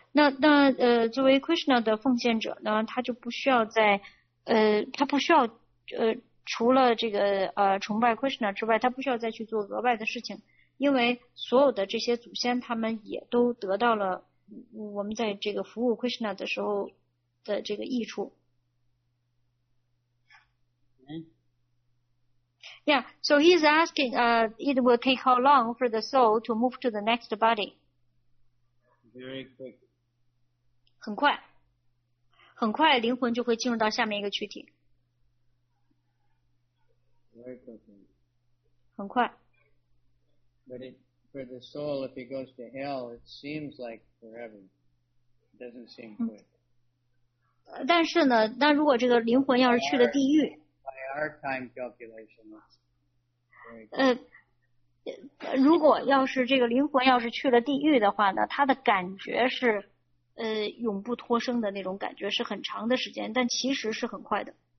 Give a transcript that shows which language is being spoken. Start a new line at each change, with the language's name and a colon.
Chinese: 那作为 Krishna 的奉献者呢，他就不需要在他不需要除了这个崇拜 Krishna 之外，他不需要再去做额外的事情，因为所有的这些祖先他们也都得到了我们在这个服务 Krishna 的时候的这个益处。
English: Yeah, so he's asking, it will take how long for the soul to move to the next body? Very quick.
Chinese: 很快，很快，灵魂就会进入到下面一个躯体。
English: Very quickly.
Chinese: 很快。
English: But for the soul, if he goes to hell, it seems like forever. It doesn't seem quick.
Chinese: 但是呢，那如果这个灵魂要是去了地狱
English: ，By our time calculation, very quick.
Chinese: 如果要是这个灵魂要是去了地狱的话呢，他的感觉是永不脱生的那种感觉，是很长的时间，但其实是很快的。